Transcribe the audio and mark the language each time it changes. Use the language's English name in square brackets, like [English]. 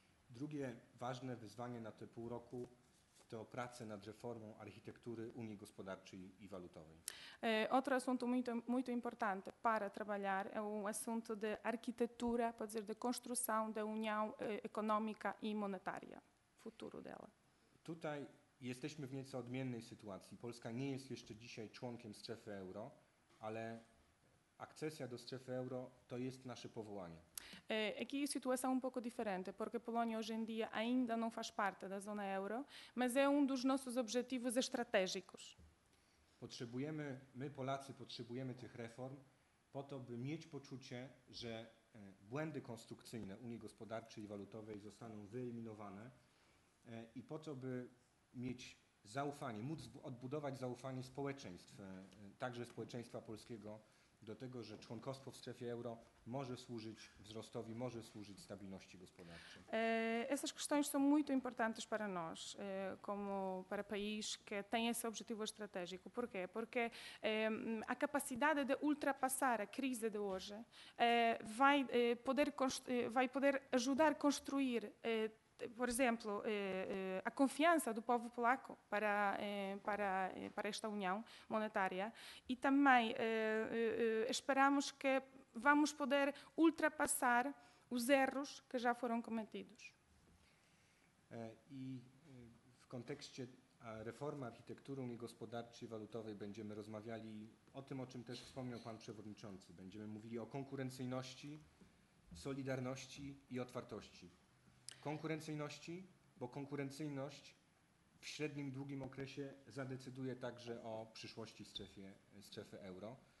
[Polish] Drugie ważne wyzwanie na te pół roku to prace nad reformą architektury Unii Gospodarczej i Walutowej. [Portuguese] Outro assunto muito, muito importante para trabalhar é um assunto de arquitetura, pode dizer, de construção da União Económica e Monetária. Futuro dela. [Polish] Tutaj jesteśmy w nieco odmiennej sytuacji. Polska nie jest jeszcze dzisiaj członkiem strefy euro, ale Akcesja do strefy euro to jest nasze powołanie. [Portuguese] Aqui a situação é um pouco diferente, porque a Polónia hoje em dia ainda não faz parte da zona euro, mas é um dos nossos objetivos estratégicos. [Polish] Potrzebujemy, my Polacy potrzebujemy tych reform po to, by mieć poczucie, że błędy konstrukcyjne Unii Gospodarczej i Walutowej zostaną wyeliminowane i po to, by mieć zaufanie, móc odbudować zaufanie społeczeństw, także społeczeństwa polskiego, do tego, że członkostwo w strefie euro może służyć wzrostowi, może służyć stabilności gospodarczej. [Portuguese] Essas questões são muito importantes para nós, como para país que tem esse objetivo estratégico. Por quê? Porque a capacidade de ultrapassar a crise de hoje vai poder ajudar a construir, por exemplo, a confiança do povo polaco para esta União Monetária e também esperamos que vamos poder ultrapassar os erros que já foram cometidos. [Polish] I w kontekście reformy architektury Unii Gospodarczej i Walutowej będziemy rozmawiali o tym, o czym też wspomniał Pan Przewodniczący. Będziemy mówili o konkurencyjności, solidarności i otwartości. Konkurencyjności, bo konkurencyjność w średnim i długim okresie zadecyduje także o przyszłości strefy euro.